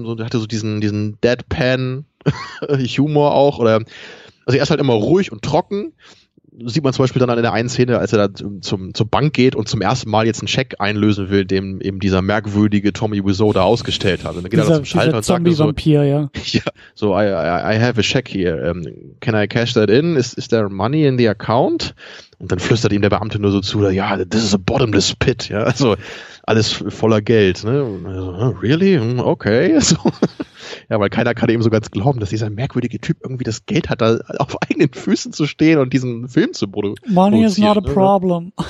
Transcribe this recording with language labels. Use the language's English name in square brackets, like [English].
[German] Der hatte so diesen Deadpan-Humor auch. Also er ist halt immer ruhig und trocken. Sieht man zum Beispiel dann in der einen Szene, als er da zur Bank geht und zum ersten Mal jetzt einen Scheck einlösen will, dem eben dieser merkwürdige Tommy Wiseau da ausgestellt hat. Und dann geht dieser, er da zum Schalter und sagt Zombie Vampir, so, ja. [English] Ja, so, I have a check here. Can I cash that in? Is there money in the account? [German] Und dann flüstert ihm der Beamte nur so zu, ja, [English] this is a bottomless pit, [German] ja. Also alles voller Geld, ne? [English] So, really? Okay. So. [German] Ja, weil keiner kann eben so ganz glauben, dass dieser merkwürdige Typ irgendwie das Geld hat, da auf eigenen Füßen zu stehen und diesen Film zu produzieren. [English] Money is not a problem.